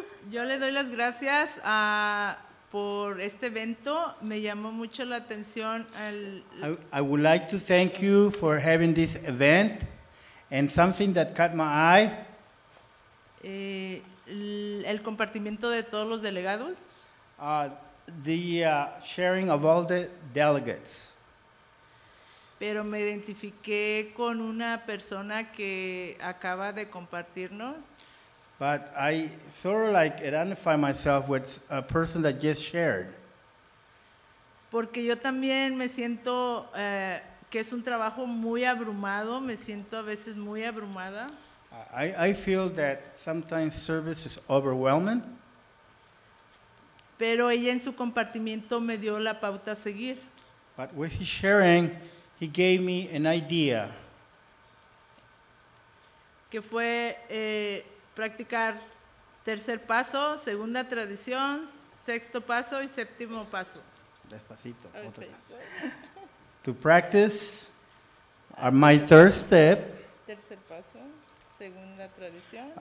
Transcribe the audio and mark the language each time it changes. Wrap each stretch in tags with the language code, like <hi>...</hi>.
<es>Yo le doy las gracias por este evento. Me llamó mucho la atención.</es> <en>I would like to thank you for having this event. And something that caught my eye.</en> <es>El compartimiento de todos los delegados.</es> <en>The sharing of all the delegates.</en> <es>Pero me identifiqué con una persona que acaba de compartirnos.</es> <en>But I sort of like identify myself with a person that just shared.</en> <es>Porque yo también me siento que es un trabajo muy abrumado. Me siento a veces muy abrumada.</es> <en>I feel that sometimes service is overwhelming.</en> <es>Pero ella en su compartimiento me dio la pauta a seguir.</es> <en>But with his sharing, he gave me an idea.</en> <es>Que fue... practicar tercer paso, segunda tradición, sexto paso y séptimo paso. Despacito. Otra.</es> <en>To practice my third step.</en> <es>Tercer paso, segunda tradición.</es>